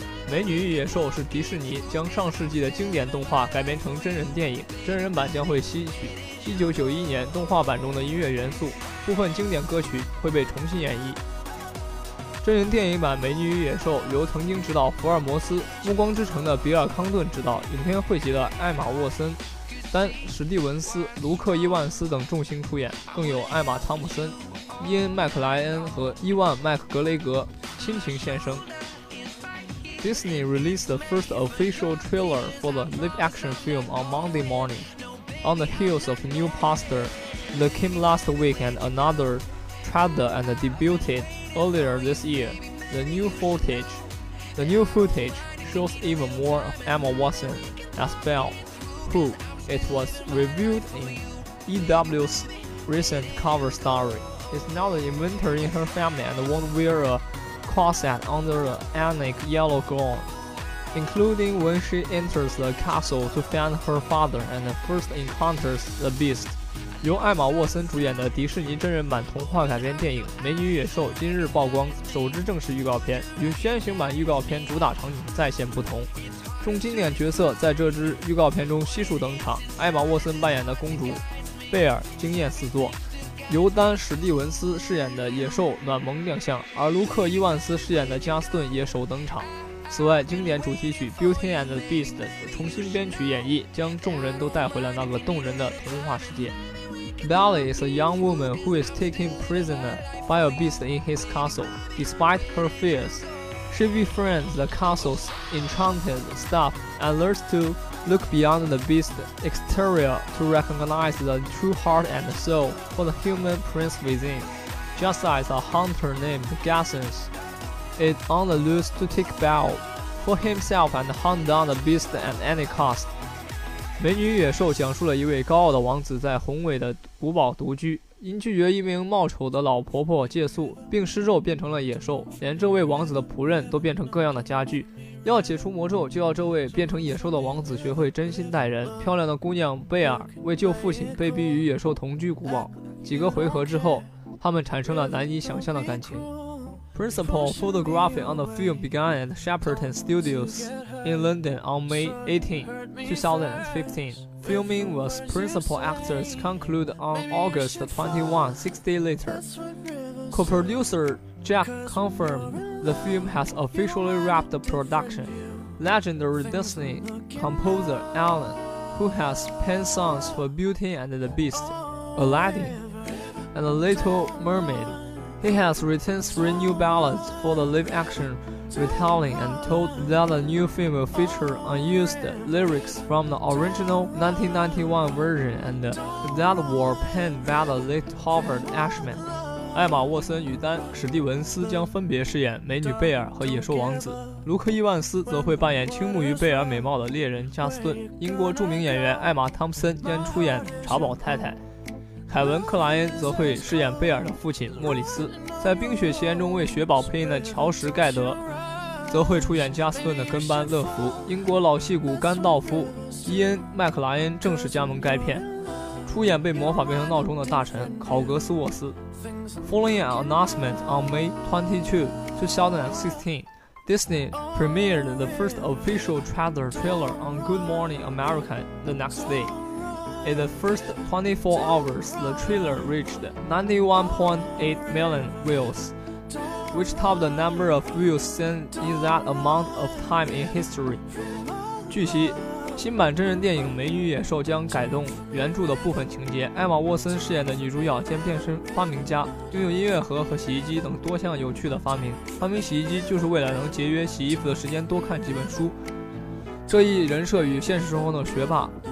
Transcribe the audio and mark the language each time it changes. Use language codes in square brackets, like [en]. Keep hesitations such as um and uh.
[zh] 美女与野兽是迪士尼将上世纪的经典动画改编成真人电影。真人版将会吸取1991年动画版中的音乐元素，部分经典歌曲会被重新演绎。真人电影版《美女与野兽》由曾经执导《福尔摩斯：暮光之城》的比尔·康顿执导。影片汇集了艾玛·沃森。 [en] 单,史蒂文斯, Thompson, Disney released the first official trailer for the live-action film on Monday morning, on the heels of new poster that came last week and another trailer and debuted earlier this year. The new footage, the new footage shows even more of Emma Watson as Belle, who, it was revealed in EW's recent cover story. It's not an inventor in her family and won't wear a corset under an anic yellow gown, including when she enters the castle to find her father and first encounters the beast. [zh] 由艾玛沃森主演的迪士尼真人版童话改编电影《美女野兽》今日曝光首支正式预告片，与先行版预告片主打场景再现不同。众经典角色在这支预告片中悉数登场，艾玛沃森扮演的公主贝尔惊艳四座，由丹史蒂文斯饰演的野兽暖萌亮相，而卢克伊万斯饰演的加斯顿也首登场。此外，经典主题曲《Beauty and the Beast》重新编曲演绎，将众人都带回了那个动人的童话世界。 [en] Belle is a young woman who is taken prisoner by a beast in his castle, despite her fears. She befriends the castle's enchanted staff and learns to look beyond the beast's exterior to recognize the true heart and soul for the human prince within. Just as a hunter named Gassens is on the loose to take battle for himself and hunt down the beast at any cost. [zh] 《美女野兽》讲述了一位高傲的王子在宏伟的古堡独居，因拒绝一名貌丑的老婆婆借宿，并施咒变成了野兽，连这位王子的仆人都变成各样的家具。要解除魔咒，就要这位变成野兽的王子学会真心待人。漂亮的姑娘贝尔为救父亲，被逼与野兽同居古堡。几个回合之后，他们产生了难以想象的感情。 [en] Principal photography on the film began at Shepperton Studios. in London on May 18, 2015. Filming with principal actors concluded on August 21, six days later. Co-producer Jack confirmed the film has officially wrapped the production. Legendary Disney composer Alan, who has penned songs for Beauty and the Beast, Aladdin, and The Little Mermaid, he has written three new ballads for the live-action Retelling and told that the new film will feature unused lyrics from the original 1991 version, and that were penned by the late Howard Ashman。 [zh] 艾玛沃森与丹史蒂文斯将分别饰演美女贝尔和野兽王子，卢克伊万斯则会扮演倾慕于贝尔美貌的猎人加斯顿。英国著名演员艾玛汤普森将出演查宝太太。凯文·克莱恩则会饰演贝尔的父亲莫里斯，在《冰雪奇缘》中为雪宝配音的乔什·盖德，则会出演加斯顿的跟班乐福。英国老戏骨甘道夫·伊恩·麦克莱恩正式加盟该片，出演被魔法变成闹钟的大臣考格斯沃斯。 [en] Following an announcement on May 22, 2016, Disney premiered the first official trailer trailer on Good Morning America the next day. In the first 24 hours, the trailer reached 91.8 million views, which topped the number of views seen in that amount of time in history. [zh] 据悉，新版真人电影《美女野兽》将改动原著的部分情节。艾玛沃森饰演的女主角将变身发明家，拥有音乐盒和洗衣机等多项有趣的发明。发明洗衣机就是为了能节约洗衣服的时间，多看几本书。这一人设与现实生中的学霸。